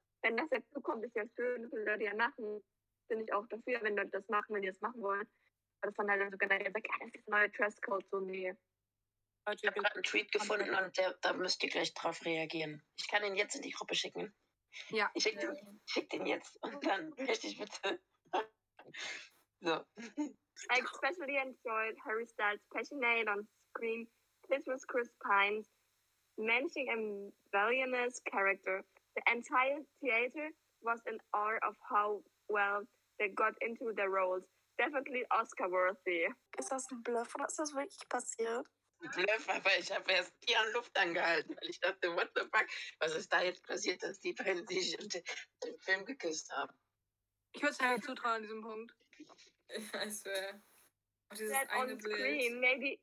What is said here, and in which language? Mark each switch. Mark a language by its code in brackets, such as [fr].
[de] Wenn das jetzt zukommt, ist ja schön, dass Leute ja machen. Bin ich auch dafür, wenn Leute das machen, wenn die das machen wollen. Aber das fand halt dann so generell, ja, das ist ein neuer Dresscode, so nee. Ich habe gerade einen Tweet gefunden und da müsst ihr gleich drauf reagieren. Ich kann ihn jetzt in die Gruppe schicken. Ja. Ich schick den jetzt und dann möchte ich bitte. So. [en] I especially enjoyed Harry Styles' passionate on screen Christmas Chris Pine's mentioning a villainous character. The entire theater was in awe of how well they got into their roles. Definitely Oscar-worthy. [de] Ist das ein Bluff oder ist das wirklich passiert? Ein Bluff, aber ich habe erst die an Luft angehalten, weil ich dachte, [en] what the fuck, [de] was ist da jetzt passiert, dass die beiden sich und den Film geküsst haben? Ich würde es halt zutrauen an diesem Punkt. [en] I swear. [de] Oh, dieses eine Bild. [en] Screen, maybe.